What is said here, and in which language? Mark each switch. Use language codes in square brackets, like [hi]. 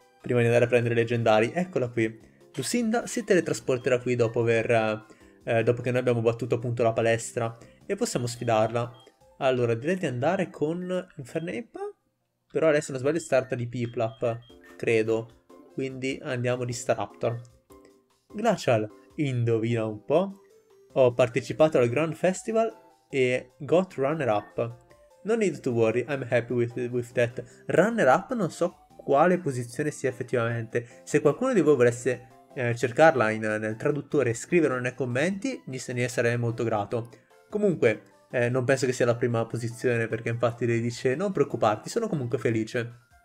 [it] Prima di andare a prendere i leggendari, eccola qui. Lucinda si teletrasporterà qui dopo che noi abbiamo battuto appunto la palestra e possiamo sfidarla. Allora, direi di andare con Infernape. Però adesso non sbaglio starta di Piplup, credo. Quindi andiamo di Staraptor. Glacial, indovina un po'. Ho partecipato al Grand Festival e [en] got runner-up. No need to worry, I'm happy with that. [it] Runner-up non so quale posizione sia effettivamente. Se qualcuno di voi volesse cercarla nel traduttore e scriverlo nei commenti, mi sarei molto grato. Comunque, non penso che sia la prima posizione, perché infatti lei dice non preoccuparti, sono comunque felice.